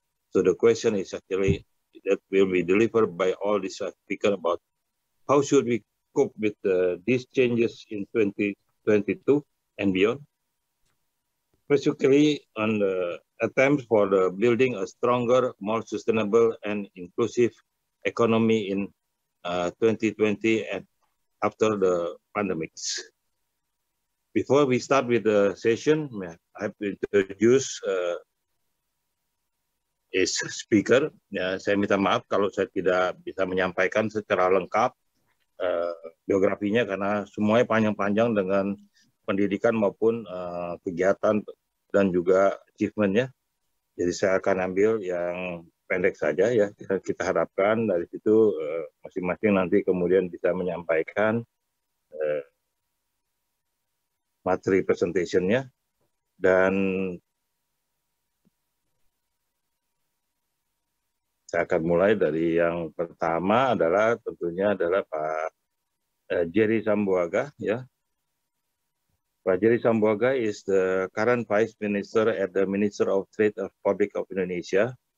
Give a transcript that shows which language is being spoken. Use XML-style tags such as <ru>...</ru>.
<en>So the question is actually, that will be delivered by all this speaker about how should we cope with these changes in 2022 and beyond, specifically on the attempt for the building a stronger, more sustainable and inclusive economy in 2020 and after the pandemics. Before we start with the session, I have to introduce is speaker.</en> <id>Ya, saya minta maaf kalau saya tidak bisa menyampaikan secara lengkap biografinya karena semuanya panjang-panjang dengan pendidikan maupun kegiatan dan juga achievement-nya. Jadi saya akan ambil yang pendek saja, ya. Kita harapkan dari situ masing-masing nanti kemudian bisa menyampaikan materi presentation-nya. Dan saya akan mulai dari yang pertama adalah tentunya adalah Pak Jerry Sambuaga, ya.</id> <en>Pak Jerry Sambuaga is the current Vice Minister at the Minister of Trade of Republic of Indonesia.</en>